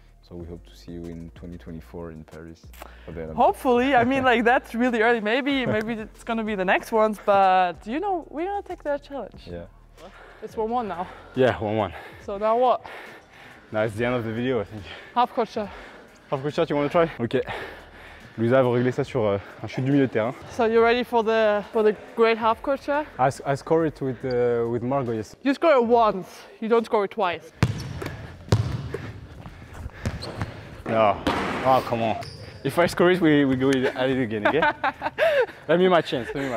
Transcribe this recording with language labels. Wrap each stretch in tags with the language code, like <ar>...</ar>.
<en>So we hope to see you in 2024 in Paris. Hopefully, I mean, like that's really early. Maybe it's gonna be the next ones, but you know, we're gonna take that challenge. Yeah. It's 1-1 now. Yeah, 1-1. So now what? Now it's the end of the video, I think. Half court shot. Half court shot, you wanna try? Okay.</en> <fr>Luisa va régler ça sur un chute du milieu de terrain.</fr> <en>So you're ready for the great half court shot? I scored it with Margot, yes. You score it once, you don't score it twice. No. Oh, come on. If I score it, we go at it again, okay? Let me my chance.</en>